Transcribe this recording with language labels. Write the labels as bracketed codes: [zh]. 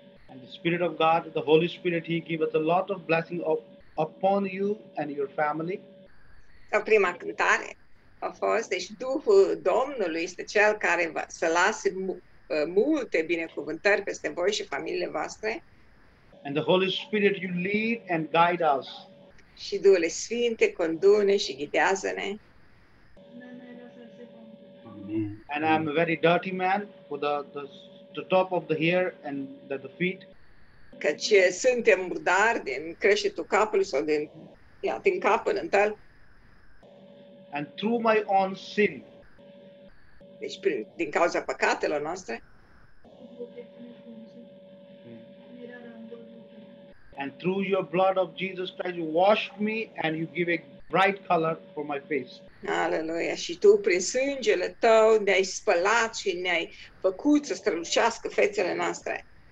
[en] And the Spirit of God, the Holy Spirit, He giveth a lot of blessing upon you and your family. [ro] A prima cântare a fost, deci Duhul Domnului este Cel care să lase multe binecuvântări peste voi și familiile voastre. [en] And the Holy Spirit, you lead and guide us. [ro] Și Duhul Sfinte condune și ghidează-ne. [en] And I'm a very dirty man for the top of the hair and the feet. [ro] Căci suntem murdari din creștetul capului sau din cap până în tăl. [en] And through my own sin. [ro] Deci din cauza păcatelor noastre. [en] And through your blood of Jesus Christ, you washed me and you give a bright color for my face. [ro] Aleluia. Și tu, prin sângele tău, ne-ai spălat și ne-ai făcut să strălucească fețele noastre.